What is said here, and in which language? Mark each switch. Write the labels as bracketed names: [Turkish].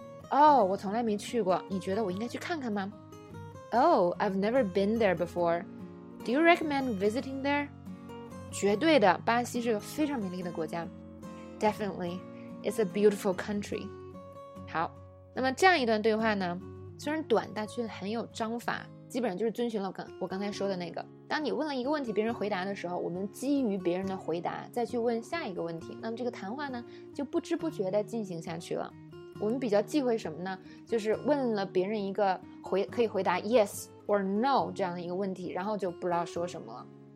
[Chinese] Oh, 我从来没去过，你觉得我应该去看看吗？ [English] Oh, I've never been there before。 Do you recommend visiting there？ [Chinese] 绝对的，巴西是个非常美丽的国家。 [English] Definitely, it's a beautiful country. [Chinese] 好，那么这样一段对话呢，虽然短，但却很有章法，基本上就是遵循了我刚才说的那个。当你问了一个问题，别人回答的时候，我们基于别人的回答再去问下一个问题，那么这个谈话呢，就不知不觉地进行下去了。我们比较忌讳什么呢？就是问了别人一个可以回答 [English] yes or no [Chinese] 这样的一个问题，然后就不知道说什么了。